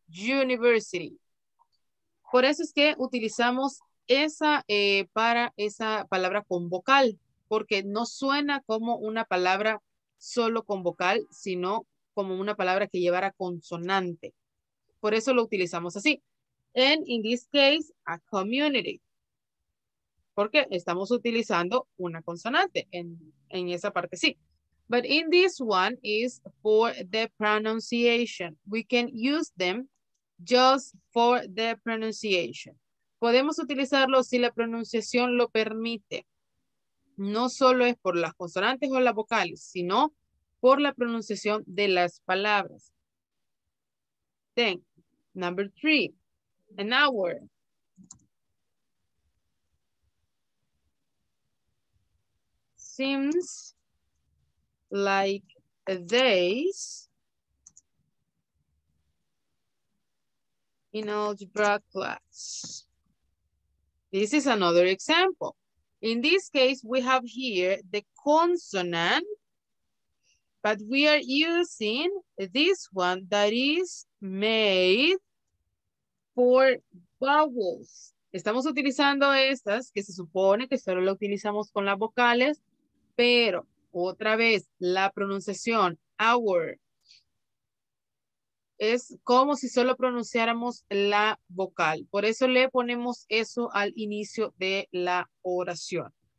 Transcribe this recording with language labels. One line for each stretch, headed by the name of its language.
Spanish: University. Por eso es que utilizamos esa para esa palabra con vocal, porque no suena como una palabra solo con vocal, sino como una palabra que llevara consonante. Por eso lo utilizamos así.
English: And in this case, a community.
Spanish: Porque estamos utilizando una consonante en esa parte, sí.
English: But in this one is for the pronunciation. We can use them just for the pronunciation.
Spanish: Podemos utilizarlo si la pronunciación lo permite. No solo es por las consonantes o las vocales, sino por la pronunciación de las palabras.
English: Then, number three, an hour. Seems like days in algebra class. This is another example. In this case, we have here the consonant, but we are using this one that is made for vowels.
Spanish: Estamos utilizando estas que se supone que solo lo utilizamos con las vocales, pero otra vez la pronunciación hour es como si solo pronunciáramos la vocal. Por eso le ponemos eso al inicio de la oración.